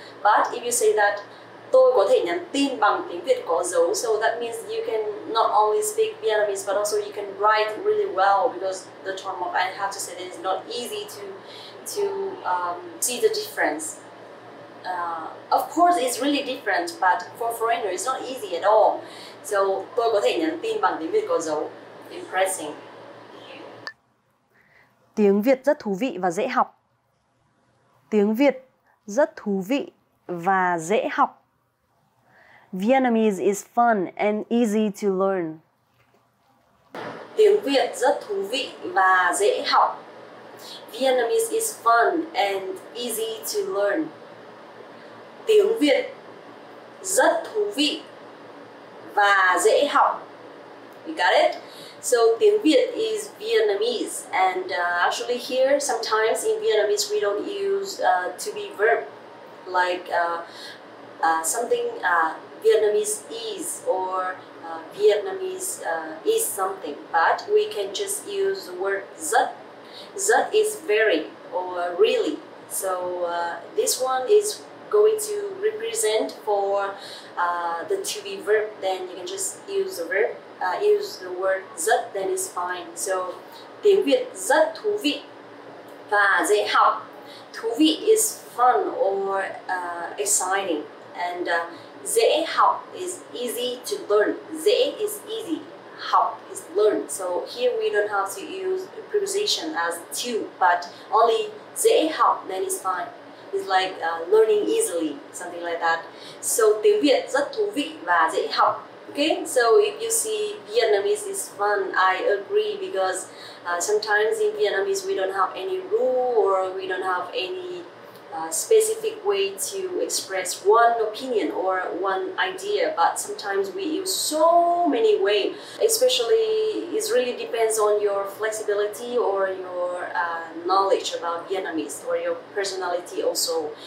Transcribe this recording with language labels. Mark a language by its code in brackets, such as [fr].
[en] But if you say that [vi] tôi có thể nhắn tin bằng tiếng Việt có dấu, [en] so that means you can not only speak Vietnamese but also you can write really well, because the tone mark, I have to say, that it's not easy to see the difference. Of course it's really different, but for foreigners it's not easy at all. [vi] So tôi có thể nhắn tin bằng tiếng Việt có dấu. [en] Impressing. [vi] Tiếng Việt rất thú vị và dễ học. Tiếng Việt rất thú vị và dễ học. [en] Vietnamese is fun and easy to learn. [vi] Tiếng Việt rất thú vị và dễ học. [en] Vietnamese is fun and easy to learn. [vi] Tiếng Việt rất thú vị và dễ học. [en] You got it? So, tiếng Việt is Vietnamese, and actually here, sometimes in Vietnamese, we don't use to be verb, like something Vietnamese is, or Vietnamese is something, but we can just use the word rất. Rất is very, or really. So, this one is going to represent for the to be verb, then you can just use the verb. Use the word rất, then it's fine. [vi] So, tiếng Việt rất thú vị và dễ học. [en] Thú vị is fun or exciting. And dễ học is easy to learn. Dễ is easy. Học is learn. So, here we don't have to use a preposition as to, but only dễ học, then it's fine. It's like learning easily, something like that. [vi] So, tiếng Việt rất thú vị và dễ học. [en] Okay, so if you see Vietnamese is fun, I agree, because sometimes in Vietnamese we don't have any rule or we don't have any specific way to express one opinion or one idea, but sometimes we use so many way, especially it really depends on your flexibility or your knowledge about Vietnamese or your personality also.